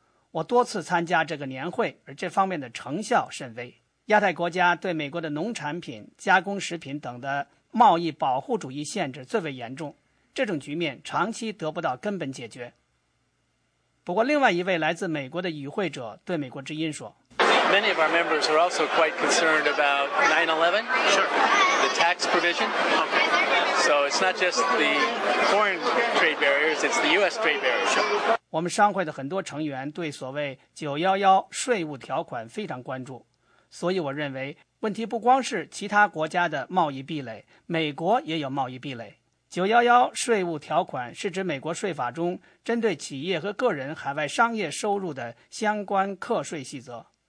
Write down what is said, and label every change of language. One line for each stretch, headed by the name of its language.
Chinese: 我多次参加这个年会，而这方面的成效甚微。亚太国家对美国的农产品、加工食品等的贸易保护主义限制最为严重，这种局面长期得不到根本解决。不过另外一位来自美国的与会者对美国之音说，
English: Many of our members are also quite concerned about 9/11, sure, the tax provision. Okay. So it's not just the foreign trade barriers, it's the U.S. trade barriers. Sure.
Chinese: 我们商会的很多成员对所谓911税务条款非常关注，所以我认为问题不光是其他国家的贸易壁垒，美国也有贸易壁垒。 911税务条款是指美国税法中针对企业和个人海外商业收入的相关课税细则。